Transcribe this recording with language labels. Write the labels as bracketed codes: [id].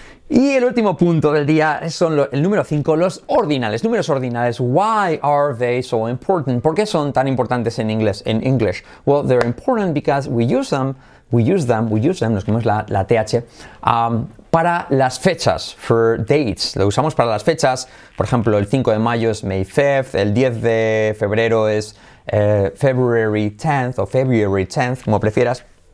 [es] Y el último punto del día son el número 5, los ordinales, números ordinales. [en] Why are they so important? [es] ¿Por qué son tan importantes en inglés? [en] En English. Well, they're important because we use them, [es] nos comemos la TH, para las fechas, [en] for dates. [es] Lo usamos para las fechas. Por ejemplo, el 5 de mayo es May 5th, el 10 de febrero es February 10th o February 10th, como prefieras.